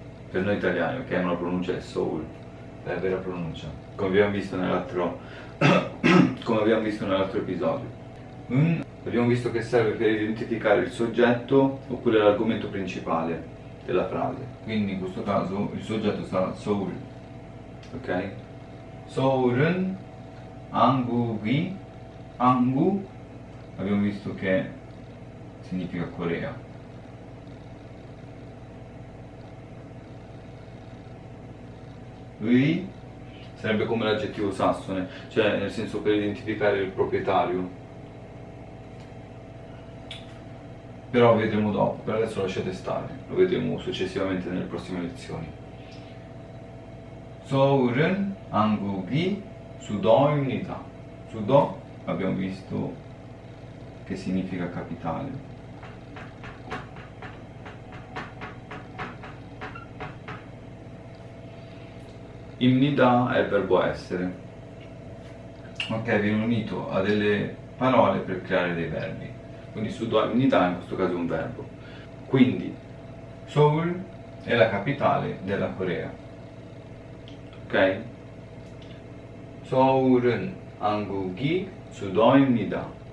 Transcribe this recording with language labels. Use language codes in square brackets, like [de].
[it] Per noi italiani, ok, ma la pronuncia è Seoul, è la vera pronuncia. Come abbiamo visto nell'altro come abbiamo visto nell'altro episodio. Abbiamo visto che serve per identificare il soggetto oppure l'argomento principale della frase. Quindi in questo caso il soggetto sarà Seoul. Ok? [ko] Seoul은 한국이 한국. [it] Abbiamo visto che significa Corea. Lui sarebbe come l'aggettivo sassone, cioè nel senso per identificare il proprietario. Però lo vedremo dopo, per adesso lasciate stare, lo vedremo successivamente nelle prossime lezioni. [ko] Seoul은 한국이 수도입니다. [it] Sudo abbiamo visto che significa capitale. Imnida è il verbo essere. Ok, viene unito a delle parole per creare dei verbi. Quindi suddoimnida in questo caso è un verbo. Quindi Seoul è la capitale della Corea. Ok? [ko] Seoul은 한국이 수도입니다.